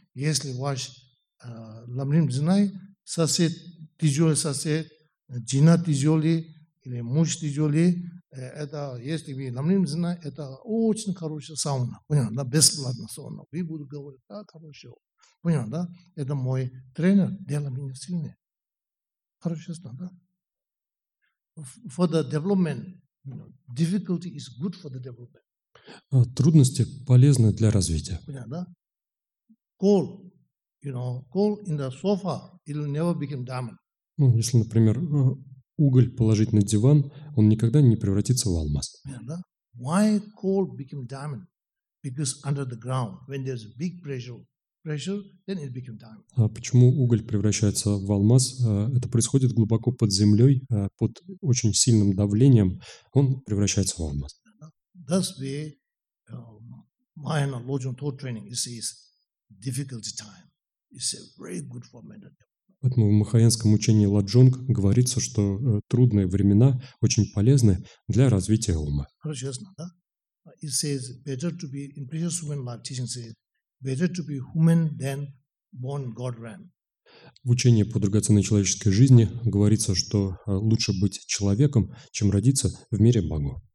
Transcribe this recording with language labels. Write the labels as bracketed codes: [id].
[ru] Если ваш ламрим знает, сосед тяжелый сосед, жена тяжелый или муж тяжелый, это, если вы ламрим знает, это очень хорошая сауна. Понял, да? Бесплатная сауна. Вы будете говорить, да, хорошо. Понял, да? Это мой тренер, дело меня сильнее. Хорошо, ясно, да? [en] For the development, difficulty is good for the development. [ru] Трудности полезны для развития. Понял, да? [en] Coal, you know, coal in the sofa, it will never become diamond. [ru] Ну, если, например, уголь положить на диван, он никогда не превратится в алмаз. Понял, да? [en] Why coal became diamond? Because under the ground, when there's big pressure, then it became diamond. [ru] А почему уголь превращается в алмаз? Это происходит глубоко под землей, под очень сильным давлением, он превращается в алмаз. [en] That's where Mahayana Lojong Thought Training says difficulty time is very good for meditation. [ru] Поэтому в махаянском учении Ладжонг говорится, что трудные времена очень полезны для развития ума. Хорошо, ясно, да? [en] It says better to be in precious human life teaching says better to be human than born God ram. [ru] В учении по драгоценной человеческой жизни говорится, что лучше быть человеком, чем родиться в мире Богу.